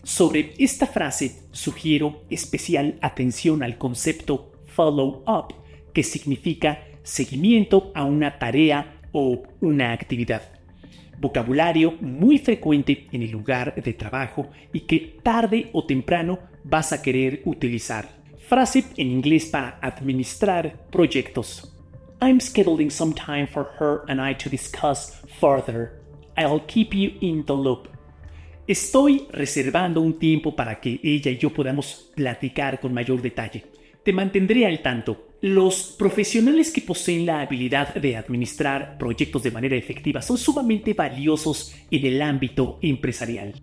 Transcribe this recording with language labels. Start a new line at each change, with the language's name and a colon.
Spanish: Sobre esta frase, sugiero especial atención al concepto follow up, que significa seguimiento a una tarea o una actividad. Vocabulario muy frecuente en el lugar de trabajo y que tarde o temprano vas a querer utilizar. Frase en inglés para administrar proyectos.
English: I'm scheduling some time for her and I to discuss further. I'll keep you in the loop.
Spanish: Estoy reservando un tiempo para que ella y yo podamos platicar con mayor detalle. Te mantendré al tanto. Los profesionales que poseen la habilidad de administrar proyectos de manera efectiva son sumamente valiosos en el ámbito empresarial.